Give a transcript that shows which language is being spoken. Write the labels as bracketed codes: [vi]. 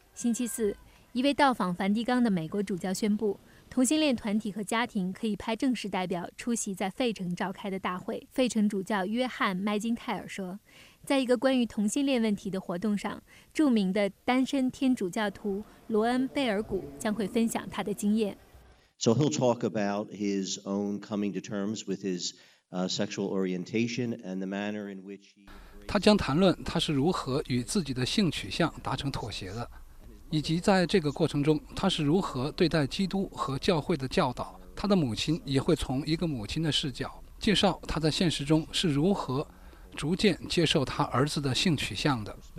[zh] 星期四，一位到访梵蒂冈的美国主教宣布，同性恋团体和家庭可以派正式代表出席在费城召开的大会。费城主教约翰·麦金泰尔说，在一个关于同性恋问题的活动上，著名的单身天主教徒罗恩·贝尔古将会分享他的经验。 [en] So he'll talk about his own coming to terms with his sexual orientation and the manner in which he. [zh] 他将谈论他是如何与自己的性取向达成妥协的，以及在这个过程中他是如何对待基督和教会的教导。他的母亲也会从一个母亲的视角介绍他在现实中是如何逐渐接受他儿子的性取向的。